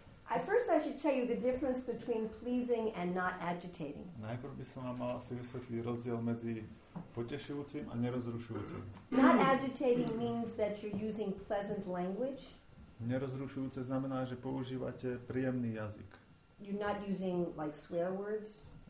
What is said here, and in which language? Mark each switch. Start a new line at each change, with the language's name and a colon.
English: At first I should tell you the difference between pleasing and not agitating.
Slovak: Najprv by som vám mal asi vysvetliť rozdiel medzi potešujúcim a nerozrušujúcim.
English: Not agitating means that you're using pleasant language.
Slovak: Nerozrušujúce znamená, že používate príjemný jazyk.
English: You're not using like swear words.